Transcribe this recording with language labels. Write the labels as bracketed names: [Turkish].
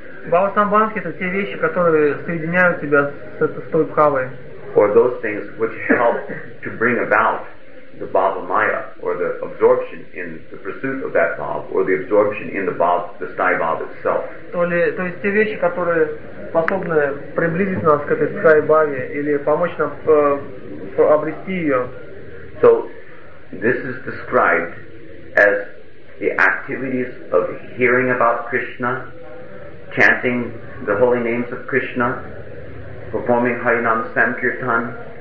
[Russian] Bhava Sambandhi — это те вещи, которые соединяют тебя с той Бхавой. [English] Or those things which help to bring about the Bhava Maya, or the absorption in the pursuit of that Bhava, or the absorption in the Bhava, the Sky Bhava itself. [Russian] То есть те вещи, которые способны приблизить нас к этой Sky Bhava или помочь нам обрести ее. [English] So this is described as the activities of hearing about Krishna, chanting the holy names of Krishna, performing Harinam Sankirtan,